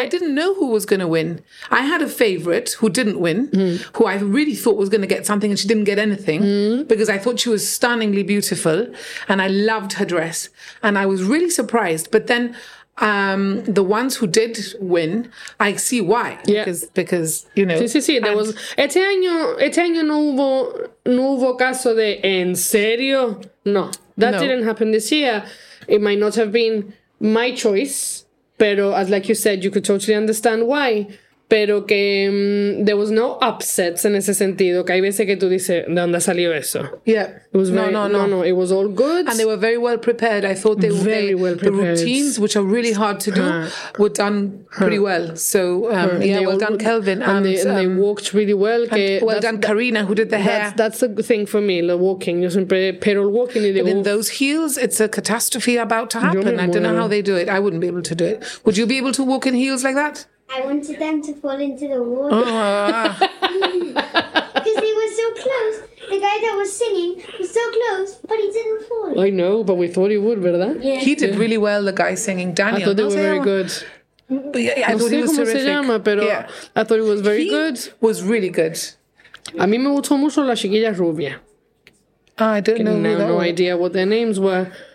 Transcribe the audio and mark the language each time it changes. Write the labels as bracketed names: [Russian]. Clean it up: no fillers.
[English] I didn't know who was going to win. I had a favorite who didn't win, who I really thought was going to get something, and she didn't get anything because I thought she was stunningly beautiful, and I loved her dress, and I was really surprised. But then. The ones who did win, I see why. Yeah. Because, you know. [Spanish] Sí. [English] There was. [Spanish] Este año no hubo caso de en serio. [English] No. Didn't happen this year. It might not have been my choice, [Spanish] pero [English] as like you said, you could totally understand why. [Spanish] Pero que [English] there was no upsets [Spanish] en ese sentido. Que hay veces que tú dices, ¿de dónde salió eso? [English] Yeah. It was No. It was all good. And they were very well prepared. I thought they were very well prepared. The routines, which are really hard to do, were done pretty well. So, Kelvin. And they walked really well. [Spanish] Que [English] well done, Karina, who did the hair. That's a good thing for me, the walking. [Spanish] Yo siempre pero el walking y [English] de in those heels, it's a catastrophe about to happen. I don't know how they do it. I wouldn't be able to do it. Would you be able to walk in heels like that? I wanted them to fall into the water. Because they were so close. The guy that was singing was so close, but he didn't fall. I know, but we thought he would, [Spanish] ¿verdad? [English] Yeah. He did really well, the guy singing, Daniel. I thought they were very good. But yeah, I thought he was terrific. [Spanish] Se llama, pero [English] yeah. I thought he was very he good. He was really good. [Spanish] A mí me gustó mucho la chiquilla rubia. [English] I don't know. I have no idea what their names were.